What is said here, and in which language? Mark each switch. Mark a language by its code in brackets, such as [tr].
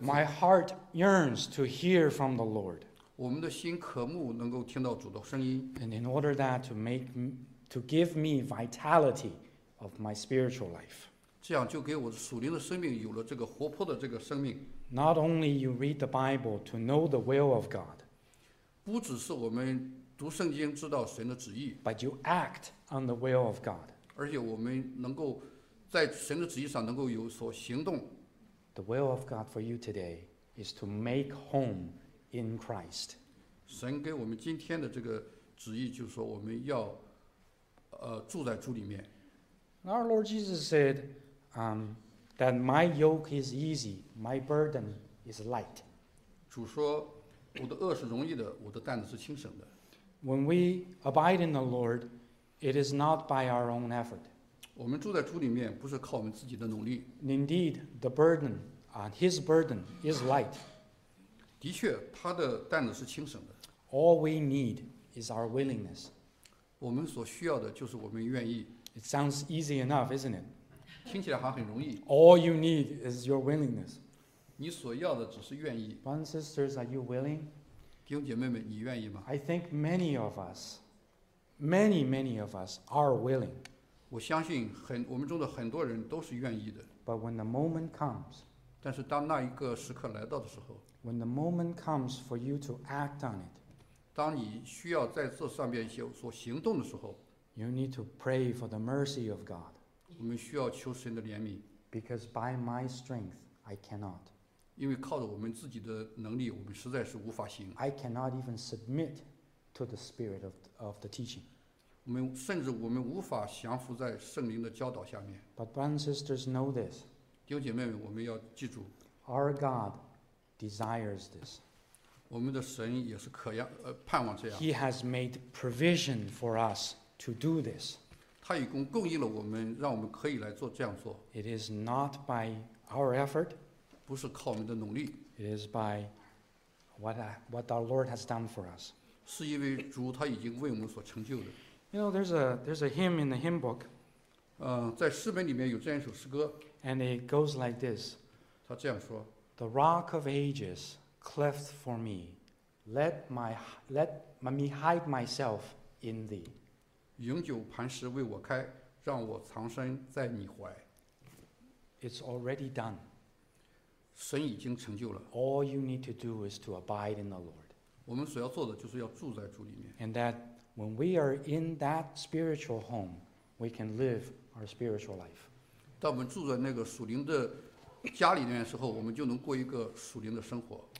[en] My heart yearns to hear from the Lord. [zh] 我们的心渴慕能够听到主的声音。 [en] And in order that to give me vitality of my spiritual life. [zh] 这样就给我属灵的生命有了这个活泼的这个生命。 [en] Not only you read the Bible to know the will of God. [zh] 不只是我们读圣经知道神的旨意。 [en] But you act. On the will of God. [zh] 而且我们能够在神的旨意上能够有所行动。 [en] The will of God for you today is to make home in Christ. [zh] 神给我们今天的这个旨意就是说我们要住在主里面。 [en] Our Lord Jesus said, that my yoke is easy, my burden is light. [zh] 主说我的轭是容易的，我的担子是轻省的。 [en] When we abide in the Lord, it is not by our own effort. [zh] 我们住在主里面不是靠我们自己的努力。 [en] Indeed, the burden, his burden is light. [zh] 的确，他的担子是轻省的。 [en] All we need is our willingness. [zh] 我们所需要的就是我们愿意。 [en] It sounds easy enough, isn't it? [zh] 听起来好像很容易。 [en] All you need is your willingness. [zh] 你所要的只是愿意。 [en] Brothers and sisters, are you willing? [zh] 弟兄姐妹们，你愿意吗？ [en] I think many of us, many, many of us are willing. [zh] 我相信很，我们中的很多人都是愿意的。 [en] But when the moment comes, [zh] 但是当那一个时刻来到的时候， [en] when the moment comes for you to act on it, [zh] 当你需要在这上面所行动的时候， [en] you need to pray for the mercy of God. [zh] 我们需要求神的怜悯。 [en] Because by my strength, I cannot. [zh] 因为靠着我们自己的能力，我们实在是无法行。 [en] I cannot even submit to the spirit of the teaching. [zh] 我们甚至我们无法降服在圣灵的教导下面。 [en] But brothers and sisters know this. [zh] 弟兄姐妹们，我们要记住。 [en] Our God desires this. [zh] 我们的神也是可样盼望这样。 [en] He has made provision for us to do this. [zh] 他已经供应了我们，让我们可以来做这样做。 [en] It is not by our effort. [zh] 不是靠我们的努力。 [en] It is by what our Lord has done for us. [zh] 是因为主他已经为我们所成就的。 [en] You know, there's a hymn in the hymn book. [zh] 在诗本里面有这样一首诗歌。 [en] And it goes like this. [zh] 他这样说。 [en] The rock of ages cleft for me, let me hide myself in thee. [zh] 永久磐石为我开，让我藏身在你怀。 [en] It's already done. [zh] 神已经成就了。 [en] All you need to do is to abide in the Lord. [zh] 我们所要做的就是要住在主里面。 [en] And that when we are in that spiritual home, we can live our spiritual life. [zh] 当我们住在那个属灵的家里面的时候，我们就能过一个属灵的生活。